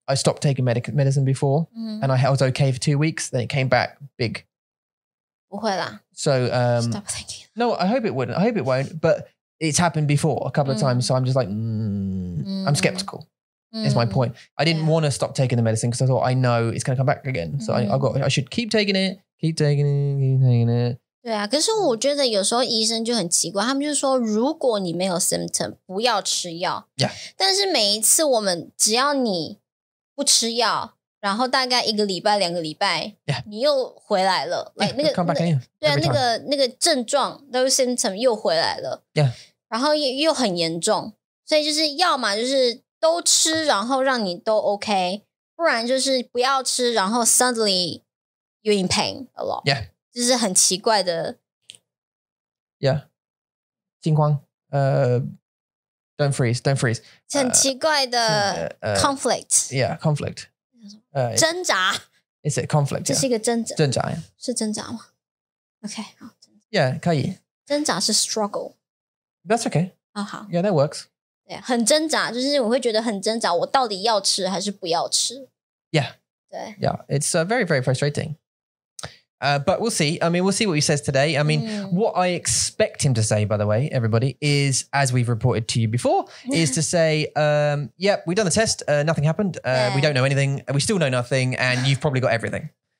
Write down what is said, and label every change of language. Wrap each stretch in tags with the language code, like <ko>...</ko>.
<en>I stopped taking medicine before, mm-hmm. and I was okay for 2 weeks, then it came back big.</en> <zh>不会啦。</zh> <en>So, Stop thinking. No, I hope it wouldn't. I hope it won't. But it's happened before a couple mm-hmm. of times. So I'm just like, I'm skeptical. Is my point. I didn't want to stop taking the medicine because I thought I know it's going to come back again. So I should keep taking it, keep taking it, keep taking it.</en> <zh>对啊，可是我觉得有时候医生就很奇怪，他们就说如果你没有 symptom, 不要吃药。</zh> <en>Yeah.</en> <zh>但是每一次我们只要你不吃药，然后大概一个礼拜、两个礼拜，</zh> <en>yeah.</en> <zh>你又回来了。</zh> <en>Yeah, like,</en> <zh>那个</zh> <en>come back again,</en> <zh>对啊，那个症状</zh> <en>those symptoms</en> <zh>又回来了。</zh> <en>Yeah.</en> <zh>然后又很严重，所以就是要嘛就是。都吃然后让你都 OK 不然就是不要吃然后</zh> <en>suddenly you're in pain a lot. Yeah.</en> <zh>就是很奇怪的。</zh> <en>Yeah.</en> <zh>情况。</zh> <en>Don't freeze.</en> <zh>很奇怪的 conflict.</zh> <en>Yeah, conflict.</en> <zh>挣扎。</zh> <en>Is it conflict?</en> <zh>这是一个挣扎。挣扎呀。是挣扎吗?OK, 好。 Yeah, 可以。挣扎是 struggle.</zh> <en>That's okay.</en> <zh>好好。</zh> <en>Yeah, that works.</en> <zh>对，很挣扎，就是我会觉得很挣扎，我到底要吃还是不要吃</zh> <en>？Yeah，</en> <zh>对</zh> <en>，Yeah， it's very very frustrating. But we'll see. I mean, we'll see what he says today. I mean,what I expect him to say, by the way, everybody, is as we've reported to you before, is to say, "Yep, we've done the test. Nothing happened. We don't know anything. We still know nothing. And you've probably got everything."</en>